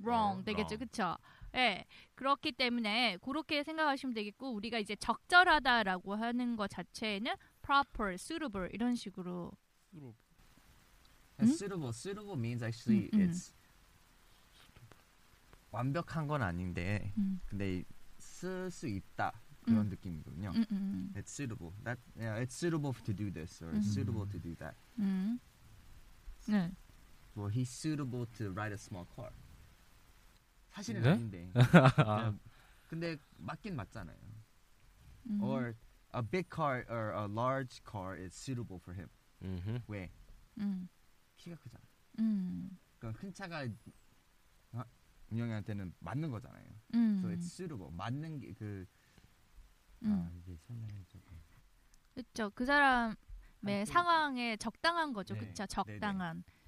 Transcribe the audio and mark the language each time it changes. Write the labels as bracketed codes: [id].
[ko] Wrong 되겠죠, 그쵸? 네. 그렇기 때문에 그렇게 생각하시면 되겠고 우리가 이제 적절하다라고 하는 것 자체는 proper, suitable 이런 식으로 [en] suitable. And suitable, suitable means actually it's [ko] 완벽한 건 아닌데 근데 쓸 수 있다 그런 느낌이군요. [en] It's suitable. That yeah, it's suitable to do this or suitable to do that. [ko] 네. [en] Well, he's suitable to ride a small car. [ko] 사실은 아닌데. 근데 맞긴 맞잖아요. [en] Or a big car or a large car is suitable for him. [ko] 왜? 키가 크잖아. 그럼 큰 차가 은영이한테는 맞는 거잖아요. [en] So it's suitable. [ko] 맞는 게 그 이게 설명이 조금 그렇죠. 그 사람의 상황에 적당한 거죠. 네. 그렇죠. 적당한. 네네.